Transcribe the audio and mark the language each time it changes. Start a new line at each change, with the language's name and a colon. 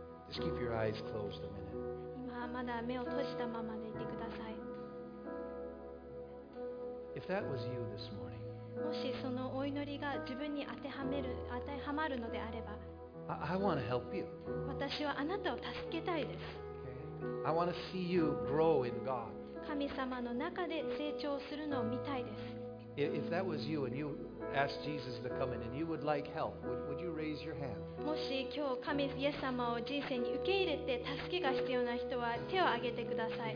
English: Just keep your eyes closed a minute.
Japanese: 今まだ目を閉じたままでいてください。
English: If that was you this morning,
Japanese: もしそのお祈りが自分に当てはまるのであれば、
English: I want to help you.
Japanese: 私はあなたを助けたいです。
English: I want to see you grow in God.
Japanese: 神様の中で成長するのを見たいです。
English: If that was you and you asked Jesus to come in and you would like help, would you raise your hand?
Japanese: もし今日神イエス様を人生に受け入れて助けが必要な人は手を挙げてください。